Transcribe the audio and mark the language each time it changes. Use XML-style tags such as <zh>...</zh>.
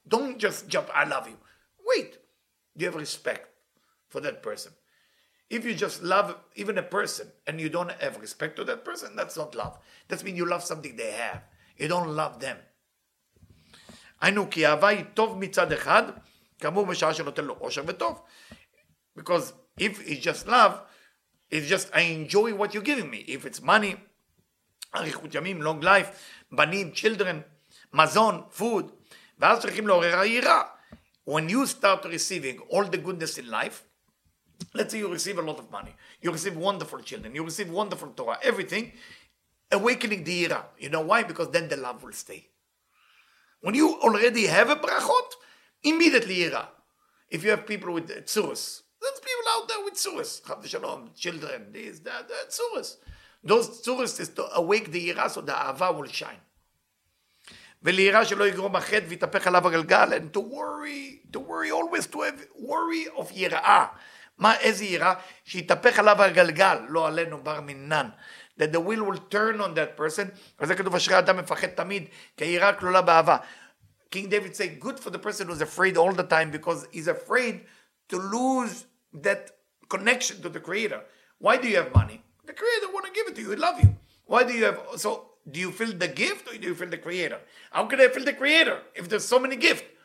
<en>Don't just jump, I love you. Wait. Do you have respect for that person? If you just love even a person and you don't have respect to that person, that's not love. That means you love something they have. You don't love them. I know</en> <he>ki ahava tov mitzad echad, כמובן בשעה שנותן לו עושר וטוב.</he> <en>Because if it's just love, it's just I enjoy what you're giving me. If it's money,</en> <he>אריכות ימים,</he> <en>long life,</en> <he>בנים,</he> <en>children,</en> <he>מזון,</he> <en>food,</en> <he>ואז צריכים לעורר העירה.</he> <en>When you start receiving all the goodness in life, let's say you receive a lot of money, you receive wonderful children, you receive wonderful Torah, everything, awakening the ira. You know why? Because then the love will stay. When you already have a brachot, immediately ira. If you have people with tzuras, there's people out there with tzuras, chavdei shalom, children, this, that, tzuras. Those tzuras is to awake the ira so the ahava will shine.</en> <he>ולעירה שלא יגרום החטא ויתהפך עליו הגלגל,</he> <en>and to worry always to have worry of</en> <he>יראה. מה, איזה יראה? שיתהפך עליו הגלגל, לא עלינו בר מינן.</he> <en>That the will turn on that person,</en> <he>וזה כתוב אשרי אדם מפחד תמיד, כי יראה כלולה באהבה.</he> <en>King David say, good for the person who's afraid all the time, because he's afraid to lose that connection to the creator. Why do you have money? The creator want to give it to you, he love you. Why do you have, so, do you feel the gift or do you feel the creator? How can I feel the creator if there's so many gifts?</en>